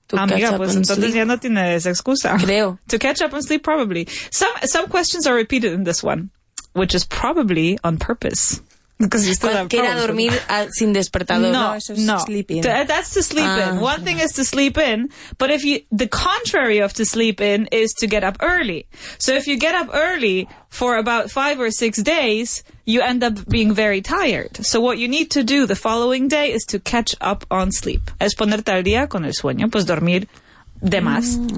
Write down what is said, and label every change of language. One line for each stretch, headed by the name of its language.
Spanish: Amiga, pues entonces sleep. Ya no tienes excusa. Creo.
English: To catch up on sleep, probably. Some questions are repeated in this one, which is probably on purpose.
Spanish: Quiera dormir sin despertador. No, no. Eso es no.
English: That's to sleep in. One thing is to sleep in, but if you, the contrary of to sleep in is to get up early. So if you get up early for about 5 or 6 days, you end up being very tired. So what you need to do the following day is to catch up on sleep.
Spanish: Es ponerte al día con el sueño, pues dormir de más.